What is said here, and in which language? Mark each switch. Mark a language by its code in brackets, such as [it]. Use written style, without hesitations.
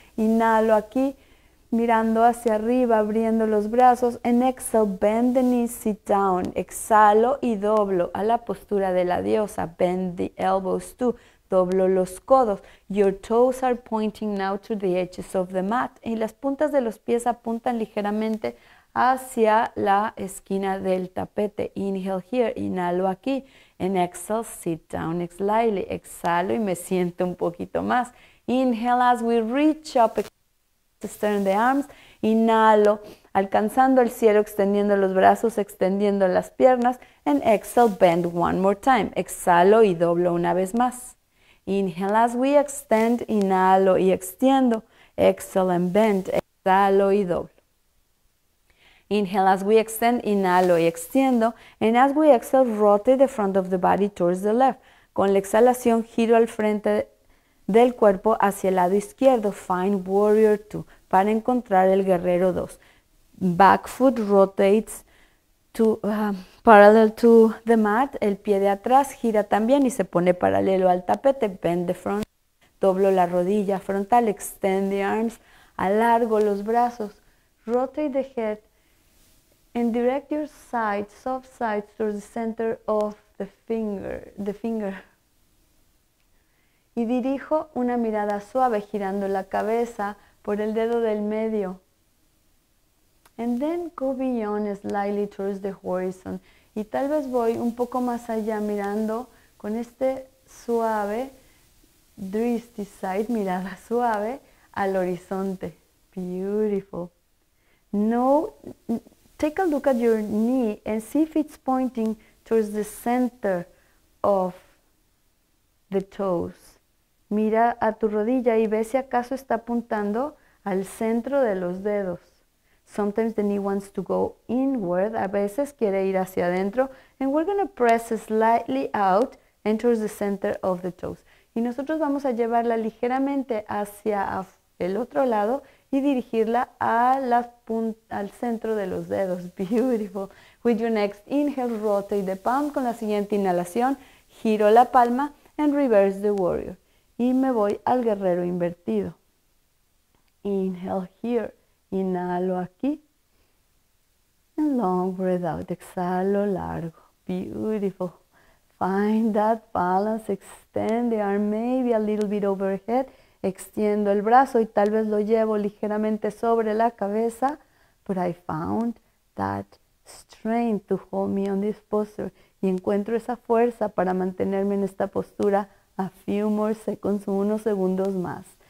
[es] Inhalo aquí, mirando hacia arriba, abriendo los brazos. [en] And exhale, bend the knees, sit down. [es] Exhalo y doblo a la postura de la diosa. [en] Bend the elbows too. [es] Doblo los codos. [en] Your toes are pointing now to the edges of the mat. [es] Y las puntas de los pies apuntan ligeramente hacia la esquina del tapete. [en] Inhale here, [es] inhalo aquí. [en] And exhale, sit down slightly. [es] Exhalo y me siento un poquito más. [en] Inhale as we reach up, extend the arms. [es] Inhalo, alcanzando el cielo, extendiendo los brazos, extendiendo las piernas. [en] And exhale, bend one more time. [es] Exhalo y doblo una vez más. [en] Inhale as we extend, [es] inhalo y extiendo. [en] Exhale and bend. [es] exhalo y doblo. [en] Inhale as we extend, [es] inhalo y extiendo. [en] And as we exhale, rotate the front of the body towards the left. [es] Con la exhalación, giro al frente del cuerpo hacia el lado izquierdo. [en] Find warrior two, [es] para encontrar el guerrero dos. [en] Back foot rotates to, parallel to the mat. [es] El pie de atrás gira también y se pone paralelo al tapete. [en] Bend the front. [es] Doblo la rodilla frontal. [en] Extend the arms. [es] Alargo los brazos. [en] Rotate the head. And direct your side, soft side, towards the center of the finger, [es] Y dirijo una mirada suave, girando la cabeza por el dedo del medio. [en] And then go beyond slightly towards the horizon. [es] Y tal vez voy un poco más allá, mirando con este suave, dristy side, mirada suave, al horizonte. [en] Beautiful. No. Take a look at your knee and see if it's pointing towards the center of the toes. [es] Mira a tu rodilla y ve si acaso está apuntando al centro de los dedos. [en] Sometimes the knee wants to go inward. [es] A veces quiere ir hacia adentro. [en] And we're going to press slightly out and towards the center of the toes. [es] Y nosotros vamos a llevarla ligeramente hacia el otro lado y dirigirla a al centro de los dedos. [en] Beautiful. With your next inhale, rotate the palm. [es] Con la siguiente inhalación, giro la palma [en] and reverse the warrior. [es] Y me voy al guerrero invertido. [en] Inhale here. [es] Inhalo aquí. [en] And long breath out. [es] Exhalo largo. [en] Beautiful. Find that balance. Extend the arm maybe a little bit overhead. [es] Extiendo el brazo y tal vez lo llevo ligeramente sobre la cabeza. [en] But I found that strength to hold me on this posture. [es] Y encuentro esa fuerza para mantenerme en esta postura [en] a few more seconds, [es] unos segundos más.